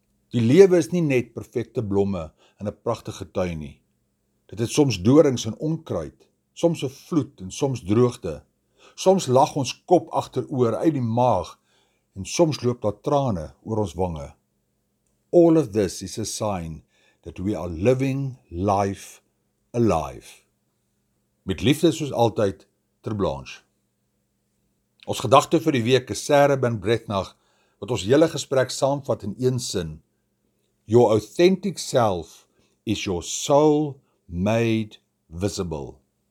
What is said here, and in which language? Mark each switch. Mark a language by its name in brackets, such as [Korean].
[Afrikaans] Die lewe is nie net perfekte blomme in 'n pragtige tuin nie. Dit het soms dorings en onkruid, soms 'n vloed en soms droogte. Soms lag ons kop agteroor uit die maag en soms loop daar trane oor ons wange. [English] All of this is a sign that we are living life alive. [Afrikaans] Met liefde soos altyd, Ter Blanche. Ons gedagte vir die week is Sarah Ben Brechnach, wat ons hele gesprek saamvat in een sin. [English] Your authentic self is your soul made visible.